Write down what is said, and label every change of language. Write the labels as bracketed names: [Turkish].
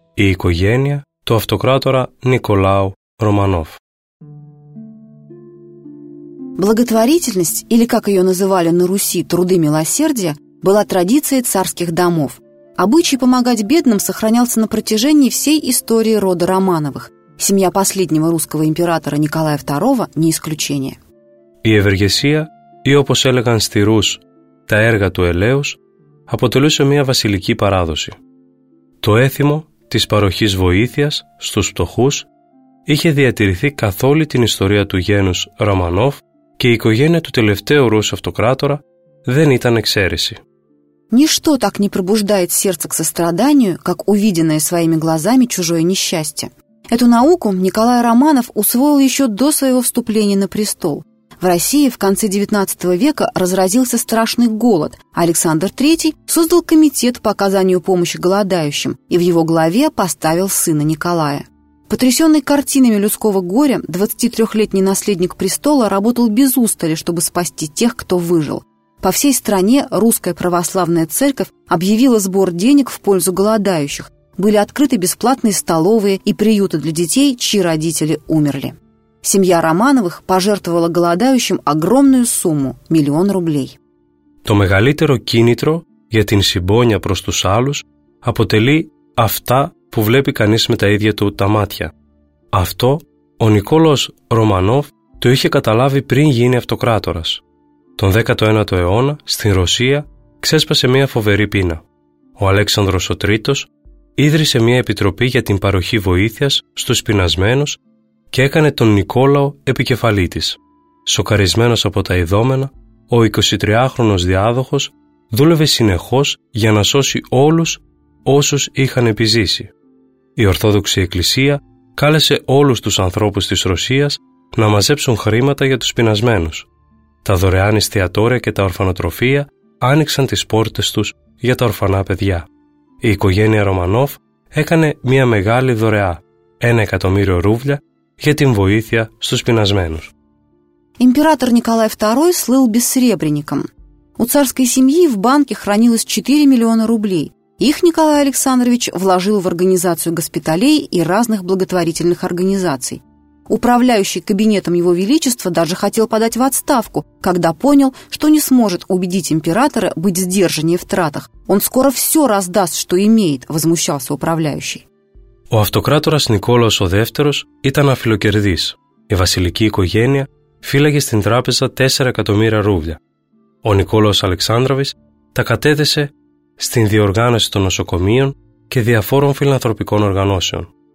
[Greek] Η οικογένεια του αυτοκράτορα Νικολάου Ρωμανόφ. [Russian] Благотворительность, или, как ее называли на Руси, труды милосердия, была традицией царских домов. Обычай помогать бедным сохранялся на протяжении всей истории рода Романовых. Семья последнего русского императора Николая II не исключение. [Greek] Η ευεργεσία, ή όπως έλεγαν στη Ρούς, τα έργα του ελέους, αποτελούσε μια βασιλική παράδοση. Το έθιμο της παροχής βοήθειας στους πτωχούς είχε διατηρηθεί καθ' όλη την ιστορία του γένους Ρωμανόφ και η οικογένεια του τελευταίου Ρούς αυτοκράτορα δεν ήταν εξαίρεση. [Russian] Ничто так не пробуждает сердце к состраданию, как увиденное своими глазами чужое несчастье. Эту науку Николай Романов усвоил еще до своего вступления на престол. В России в конце XIX века разразился страшный голод. Александр III создал комитет по оказанию помощи голодающим и в его главе поставил сына Николая. Потрясенный картинами людского горя, 23-летний наследник престола работал без устали, чтобы спасти тех, кто выжил. По всей стране русская православная церковь объявила сбор денег в пользу голодающих. Были открыты бесплатные столовые и приюты для детей, чьи родители умерли. Семья Романовых пожертвовала голодающим огромную сумму – 1 000 000 рублей. [Greek] Το μεγαλύτερο κίνητρο για την συμπόνια προς τους άλλους αποτελεί αυτά που βλέπει κανείς με τα ίδια του τα μάτια. Αυτό ο Νικόλαος Ρωμανόφ το είχε καταλάβει πριν γίνει αυτοκράτορας. Τον 19ο αιώνα, στην Ρωσία, ξέσπασε μια φοβερή πείνα. Ο Αλέξανδρος ο Τρίτος ίδρυσε μια επιτροπή για την παροχή βοήθειας στους πεινασμένους και έκανε τον Νικόλαο επικεφαλή της. Σοκαρισμένος από τα ειδόμενα, ο 23χρονος διάδοχος δούλευε συνεχώς για να σώσει όλους όσους είχαν επιζήσει. Η Ορθόδοξη Εκκλησία κάλεσε όλους τους ανθρώπους της Ρωσίας να μαζέψουν χρήματα για τους πεινασμένους. Τα δωρεάν εστιατόρια και τα ορφανοτροφεία άνοιξαν τις πόρτες τους για τα ορφανά παιδιά. Η οικογένεια Ρωμανόφ έκανε μια μεγάλη δωρεά, 1 000 000 ρούβλια, για την βοήθεια στους πεινασμένους. [Russian] Император Николай II слыл бессребреником. У царской семьи в банке хранилось 4 000 000 рублей. Их Николай Александрович вложил в организацию госпиталей и разных благотворительных организаций. Управляющий кабинетом Его Величества даже хотел подать в отставку, когда понял, что не сможет убедить императора быть сдержаннее в тратах. Он скоро все раздаст, что имеет, возмущался управляющий. [Greek] Ο αυτοκράτορας Νικόλαος ο Δεύτερος ήταν αφιλοκερδής. Η βασιλική οικογένεια φύλαγε στην τράπεζα 4 000 000 ρούβλια. Ο Νικόλαος Αλεξάνδραβης τα κατέθεσε στην διοργάνωση των νοσοκομείων και διαφόρων φιλανθρωπικών οργανώσεων.